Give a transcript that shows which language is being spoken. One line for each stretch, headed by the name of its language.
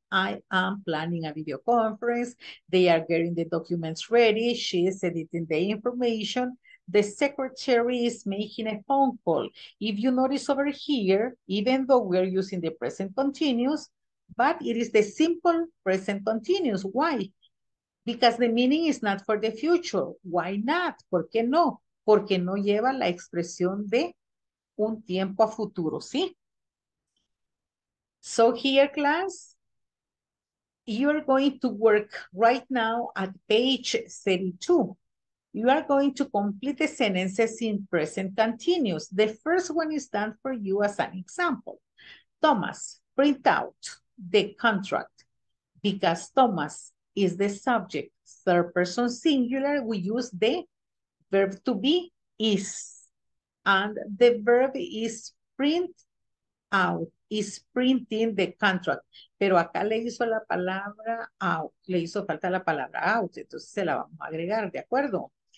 English: I am planning a video conference, they are getting the documents ready, she is editing the information, the secretary is making a phone call. If you notice over here, even though we're using the present continuous, but it is the simple present continuous. Why? Because the meaning is not for the future. Why not?
Spanish: ¿Por qué no? Porque no lleva la expresión de un tiempo a futuro, ¿sí?
English: So here, class, you are going to work right now at page 32. You are going to complete the sentences in present continuous. The first one is done for you as an example. Thomas, print out the contract. Because Thomas is the subject, third person singular, we use the verb to be, is. And the verb is print out, is printing the contract.
Spanish: Pero acá le hizo la palabra out, le hizo falta la palabra out, entonces se la vamos a agregar, ¿de acuerdo?